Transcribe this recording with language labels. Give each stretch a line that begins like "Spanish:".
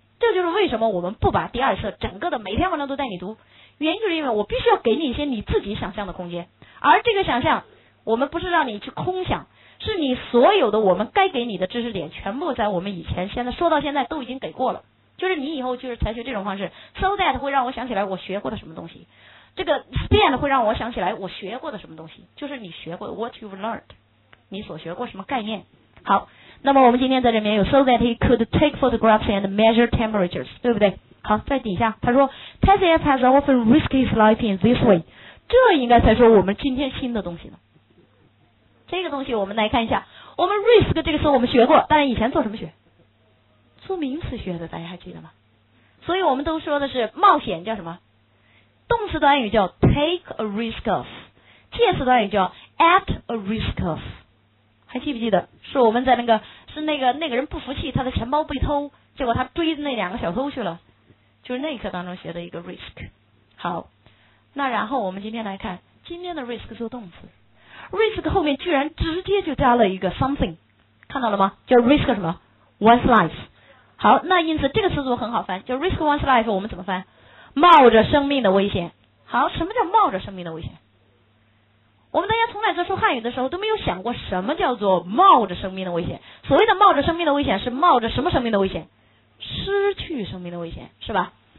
Chinese: 这就是为什么我们不把第二册整个的每篇文章都带你读，原因就是因为我必须要给你一些你自己想象的空间，而这个想象我们不是让你去空想，是你所有的我们该给你的知识点全部在我们以前现在说到现在都已经给过了，就是你以后就是采取这种方式 so that 会让我想起来我学过的什么东西，这个 stand 会让我想起来我学过的什么东西，就是你学过
English: what you've learned
Chinese: 你所学过什么概念。好，那么我们今天在这边有
English: so that he could take photographs and measure temperatures
Chinese: 对不对。好，在底下他说
English: TSF has often risked his life in this way，
Chinese: 这应该才说我们今天新的东西呢。这个东西我们来看一下，我们 risk 这个词我们学过，但是以前做什么学，做名词学的，大家还记得吗？所以我们都说的是冒险叫什么，动词短语叫
English: take a risk of，
Chinese: 介词短语叫
English: at a risk of，
Chinese: 还记不记得是我们在那个是那个人不服气他的钱包被偷，结果他追那两个小偷去了，就是那一课当中学的一个 risk。好，那然后我们今天来看今天的 risk 做动词，risk 后面居然直接就加了一个 something， 看到了吗？叫 risk 什么
English: one's life。
Chinese: 好，那因此这个词组很好翻，叫
English: risk one's life，
Chinese: 我们怎么翻，冒着生命的危险。好，什么叫冒着生命的危险，我们大家从来在说汉语的时候都没有想过什么叫做冒着生命的危险，所谓的冒着生命的危险是冒着什么生命的危险，失去生命的危险，是吧？